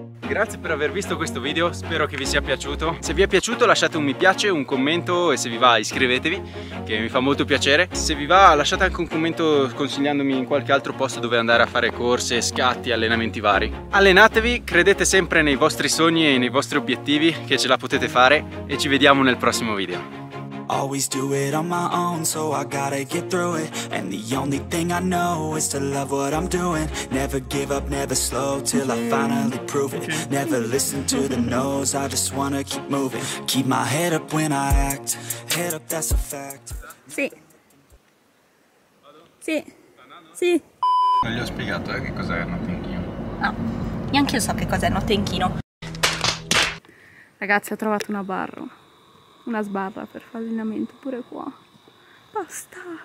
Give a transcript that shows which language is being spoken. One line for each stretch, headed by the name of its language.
Italian: Grazie per aver visto questo video, spero che vi sia piaciuto. Se vi è piaciuto lasciate un mi piace, un commento e se vi va iscrivetevi, che mi fa molto piacere. Se vi va lasciate anche un commento consigliandomi in qualche altro posto dove andare a fare corse, scatti, allenamenti vari. Allenatevi, credete sempre nei vostri sogni e nei vostri obiettivi, che ce la potete fare e ci vediamo nel prossimo video.
English: Always do it on my own, so I gotta get through it. And the only thing I know is to love what I'm doing. Never give up, never slow, till I finally prove it. Never listen to the no's, I just wanna keep moving. Keep my head up when I act, head up, that's a fact.
Italian: Sì. Sì. Sì. Non gli ho spiegato che cos'è il notenchino. No, neanche io so che cos'è il notenchino. Ragazzi, ho trovato una barra. Una sbarra per fare allenamento pure qua. Basta.